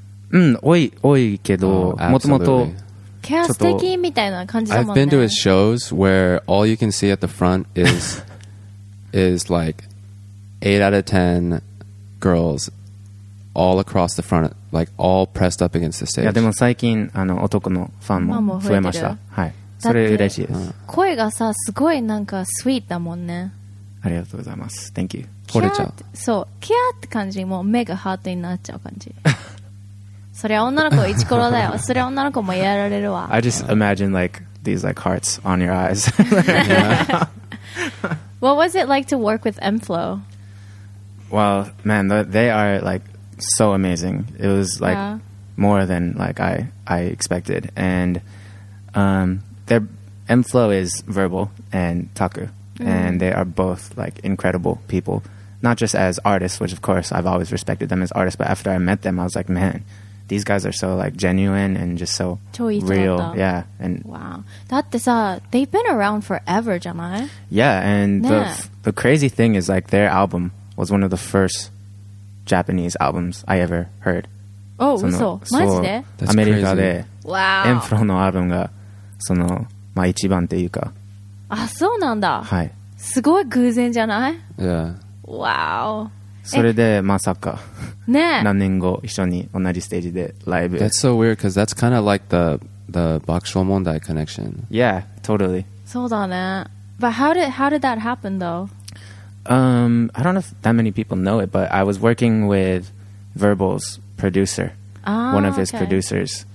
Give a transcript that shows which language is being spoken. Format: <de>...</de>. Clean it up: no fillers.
<ja>うん、多い、多いけど、もともとキャス的みたいな感じだもんね。</ja> <en>I've been to his shows where all you can see at the front is is like 8 out of 10 girls all across the front, like all pressed up against the stage.</en> <ja>いやでも最近あの男のファンも増えました。はい。それ嬉しいです。声がさすごいなんかスウィートだもんね。ありがとうございます。</ja> <en>Thank you.</en> <ja>ポレちゃん。そう、キャーって感じ、もう目がハートになっちゃう感じ。そりゃ女の子イチコロだよ。そりゃ女の子もやられるわ。</ja> <en>I just imagine like these like hearts on your eyes. What was it like to work with M-Flow? Well, man, they are like so amazing. It was like more than like I expected. And their M-Flow is Verbal and Taku. And they are both like incredible people. Not just as artists, which of course I've always respected them as artists. But after I met them, I was like, man, these guys are so like genuine and just so real. Yeah. And wow. That's, they've been around forever, Jamai. Yeah. And the crazy thing is like their album was one of the first Japanese albums I ever heard. Oh, so. Mazde? That's America crazy. De, wow.</en> <ja>M-Flow のアルバムがその、まあ、一番っていうか。あ、そうなんだ。はい。すごい偶然じゃない？</ja> <en>Yeah. Wow.</en> <ja>それでまさか。ね。何年後一緒に同じステージでライブ。</ja> <en>That's so weird because that's kind of like the Bakusho Mondai connection. Yeah, totally.</en> <ja>そうだね。</ja> <en>But how did that happen though? I don't know if that many people know it, but I was working with Verbal's producer, one of his producers.</en>